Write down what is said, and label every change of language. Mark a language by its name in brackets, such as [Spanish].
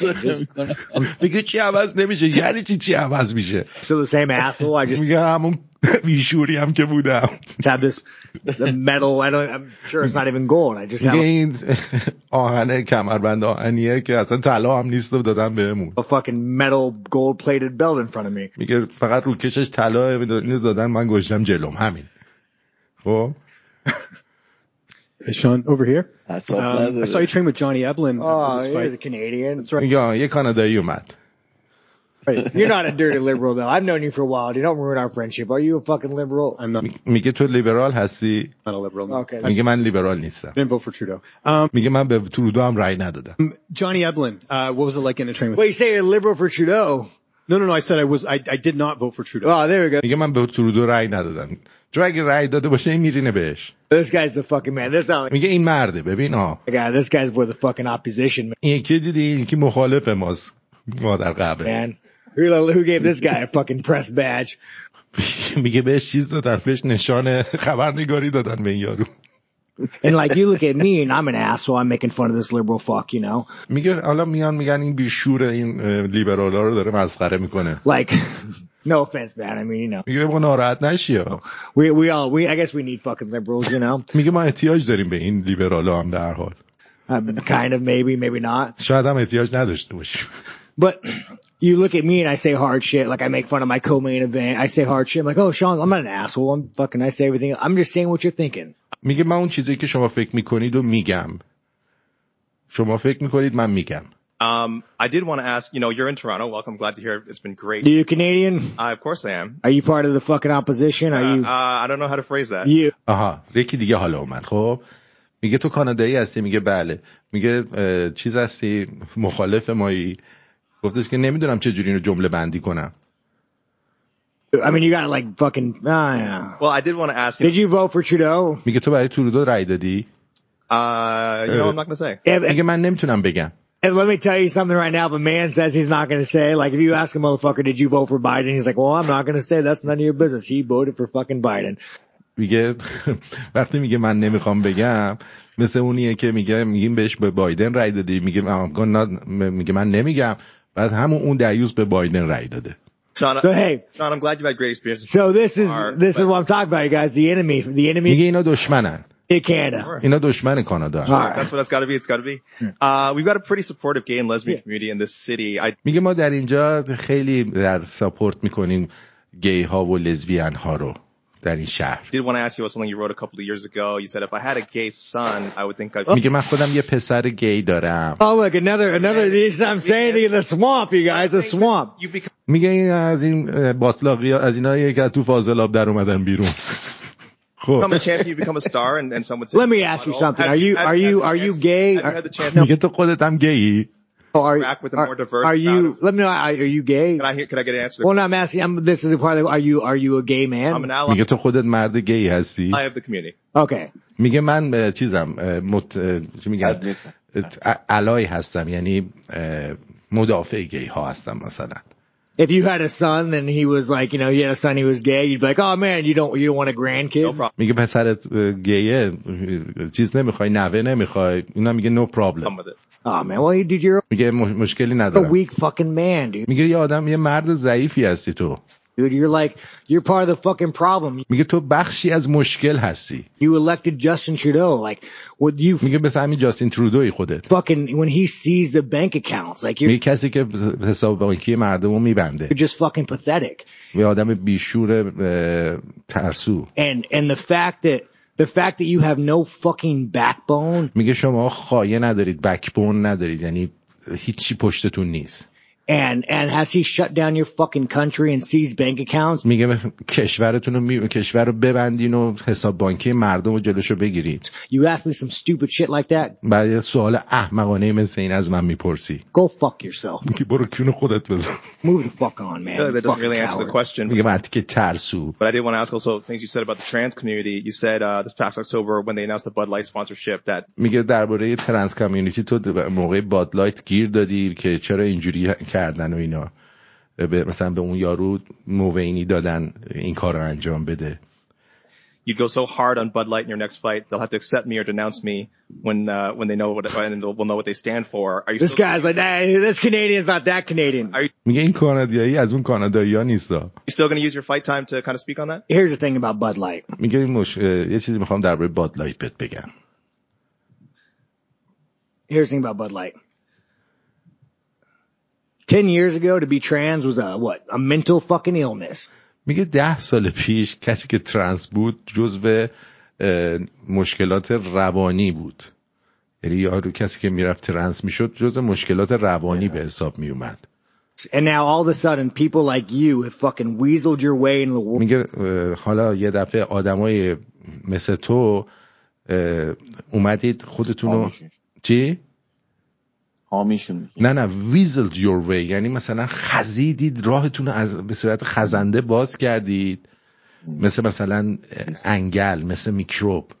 [English] I get like gray things. So the same asshole. I just. [Persian] میشوری هم که بودم. [English] Have this the metal. I'm sure it's not even gold. I just gained. [Persian] آهنه کمربند آهنیه که اصلا طلا هم نیست و دادم بهمون. [English] A fucking metal gold plated belt in front of me. [Persian] میگه فقط رو کشش طلا اینو دادن من گوشم جلوم همین. خب. [English] Hey Sean, over here. That's so pleasant. I saw you train with Johnny Eblen. Oh, he's a Canadian. That's right. Yeah, you're Canada, you Matt. Right. You're not a dirty liberal, though. I've known you for a while. You don't ruin our friendship. Are you a fucking liberal? I'm not. [Persian] میگه تو لیبرال هستی. [English] I'm not a liberal. No. Okay. [Persian] میگه من لیبرال نیستم. [English] Didn't vote for Trudeau. [Persian] میگه من به ترودو هم رای ندادم. [English] Johnny Eblen, what was it like in a train with? Wait, you say a liberal for Trudeau? No. I said I did not vote for Trudeau. Oh, there we go. [Persian] میگه من به ترودو رای ندادم. [English] Drag ride [Persian] داده باشه این میرینه بهش. [English] This guy's the fucking man. This guy. [Persian] میگه این مرده ببین ها. [English] Yeah, this guy's for the fucking opposition. [Persian] این کی دیدی؟ این کی مخالف ماست؟ مادر قبل. [English] Man, who gave this guy a fucking press badge? [Persian] میگه بهش چیز دادن، بهش نشان خبرنگاری دادن به این یارو. [English] And like you look at me and I'm an asshole. I'm making fun of this liberal fuck, you know. [Persian] میگه حالا میان میگن این بیشوره این لیبرال ها رو داره مسخره میکنه. [English] Like. No offense, man. I mean, you know. [Persian] میگه ما ناراحت نشیو. [English] We I guess we need fucking liberals, you know. [Persian] میگه ما احتیاج داریم به این لیبرال ها هم در حال. [English] Kind of maybe not. [Persian] شاید هم احتیاج نداشته باشیم. [English] But you look at me and I say hard shit. Like I make fun of my co-main event. I say hard shit. I'm like, oh, Sean, I'm not an asshole. I'm fucking, I say everything. I'm just saying what you're thinking. [Persian] میگه من اون چیزی که شما فکر میکنید و میگم. شما فکر میکنید من میگم. [English] I did want to ask, you know, you're in Toronto. Welcome. Glad to hear it. It's been great. Are you Canadian? Of course I am. Are you part of the fucking opposition? Are you? I don't know how to phrase that. You. [Persian] Aha. یکی دیگه حالا اومد. خب. میگه تو کانادایی هستی؟ میگه بله. میگه چیز هستی؟ مخالف مایی؟ گفتش که نمیدونم چه جوری اینو جمله بندی کنم. [English] I mean, you got like fucking. Yeah. Well, I did want to ask. You did you vote for Trudeau? [Persian] میگه تو برای ترودو رای دادی؟ [English] You know, I'm not gonna say. [Persian] میگه من نمیتونم بگم. [English] And let me tell you something right now, if a man says he's not going to say, like if you ask a motherfucker, did you vote for Biden? He's like, well, I'm not going to say, that's none of your business. He voted for fucking Biden. [Persian] میگه وقتی میگه من نمیخوام بگم مثل اونیه که میگه میگیم بهش به بایدن رای دادی میگه میگه من نمیگم بعد همون اون دعیوز به بایدن رای داده. [English] Sean, so hey, Sean, I'm glad you had great experience. So this is what I'm talking about, you guys, the enemy. [Persian] میگه اینا دشمنن. [English] Canada. [Persian] دشمن کانادا. [English] That's what it's got to be. It's got to be. We've got a pretty supportive gay and lesbian community in this city. [Persian] میگه ما در اینجا خیلی در سپورت میکنیم گی ها و لزبیان ها رو در این شهر. [English] Did want to ask you about something you wrote a couple of years ago. You said if I had a gay son, I would think. [Persian] میگه من خودم یه پسر گی دارم. [English] Oh look, another. I'm saying in the swamp, you guys, a swamp. [Persian] میگه این از این باطلاقی از اینا یکی از تو فاضلاب در اومدن بیرون. [English] Become a champion, you become a star, and someone says. Let me ask you something. Are you gay? [Persian] میگه تو خودت هم گی. [English] Are you gay? Can I get an answer? Well, no, I'm asking. This is the part. Are you a gay man? I'm an ally. [Persian] میگه تو خودت مرد گی هستی. [English] I have the community. Okay. [Persian] میگه من چیزم مت چی میگم؟ علای هستم. یعنی مدافع گی ها هستم مثلا. [English] If you had a son and he was like, you know, he had a son, he was gay, you'd be like, oh man, you don't want a grandkid? No problem. [Persian] میگه پسرت گیه چیز نمیخوای نوه نمیخوای اونا میگه [English] no problem. Oh man, well you did your [Persian] میگه مشکلی ندارم. [English] A weak fucking man, dude. [Persian] میگه یه آدم یه مرد ضعیفی هستی تو. [English] Dude, you're like, you're part of the fucking problem. [Persian] میگه تو بخشی از مشکل هستی. [English] You elected Justin Trudeau, like, what you? [Persian] میگه به سمت جاستین ترودو خودت. [English] Fucking when he sees the bank accounts, like you. [Persian] میگه کسی که حساب بانکی مردمو میبنده. [English] You're just fucking pathetic. [Persian] یه آدم بیشور ترسو. [English] And the fact that you have no fucking backbone. [Persian] میگه شما خایه ندارید، بکبون ندارید، یعنی هیچی پشتتون نیست. [English] And has he shut down your fucking country and seized bank accounts? [Persian] میگه کشورتون رو کشور رو ببندین و حساب بانکی مردم رو جلوشو بگیرید. [English] You ask me some stupid shit like that? [Persian] بعد یه سوال احمقانه مثل این از من میپرسی. [English] Go fuck yourself. [Persian] میگه برو کیونه خودت بزن. [English] Move the fuck on, man. That doesn't really answer the question. [Persian] میگه مرد که ترسو. [English] But I did want to ask also things you said about the trans community. You said this past October when they announced the Bud Light sponsorship that [Persian] میگه درباره ترنس کامیونیتی تو موقع باد لایت گیر دادی که چرا اینجوری کردن و اینا مثلا به اون یارو موینی دادن این کار رو انجام بده. [English] You'd go so hard on Bud Light in your next fight, they'll have to accept me or denounce me when they know what they stand for. Are you this guy's like, nah, this Canadian's not that Canadian. [Persian] میگه این کانادایی از اون کانادایی ها نیست. [English] You still going to use your fight time to kind of speak on that? Here's the thing about Bud Light. [Persian] میگه یه چیزی میخوام در باره Bud Light بهت بگم. [English] Here's the thing about Bud Light. 10 years ago, to be trans was a mental fucking illness. [Persian] میگه 10 سال پیش کسی که ترنس بود جزء مشکلات روانی بود. یعنی یارو کسی که میرفت ترنس میشد جزء مشکلات روانی به حساب میومد. [English] And now all of a sudden, people like you have fucking weaseled your way into the world. [Persian] میگه حالا یه دفعه آدمای مثل تو اومدید خودتونو چی؟ نه [English] weaseled your way [Persian] یعنی مثلا خزیدید راهتون از به صورت خزنده باز کردید مثلا انگل مثل میکروب